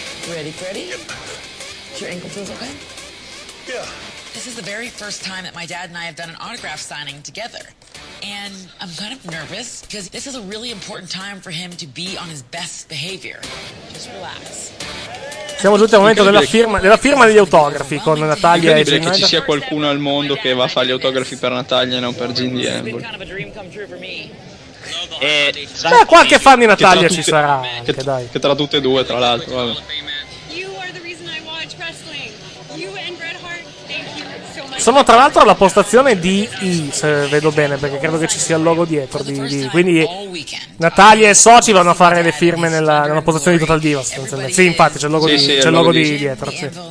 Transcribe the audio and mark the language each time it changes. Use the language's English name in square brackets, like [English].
[English] Ready, Freddy? Yep. Your ankle feels okay? Yeah. This is the very first time that my dad and I have done an autograph signing together. And I'm kind of nervous because this is a really important time for him to be on his best behavior. Just relax. [Italian] Siamo giunti al momento della firma degli autografi con Natalia e Jim. Che ci sia qualcuno al mondo che va a fare gli autografi per Natalia e non per Jim Diamond. Beh, qualche fan di Natalia ci sarà anche, dai. Che tra tutte e due, tra l'altro. [English] You are the reason I watch wrestling. You and Bret Hart, thank you so much. [Italian] Sono tra l'altro alla postazione di I, se vedo bene, perché credo che ci sia il logo dietro di. Quindi Natalia e soci vanno a fare le firme nella postazione di Total Divas. Sì, infatti c'è il logo, sì, c'è il logo di dietro, sì.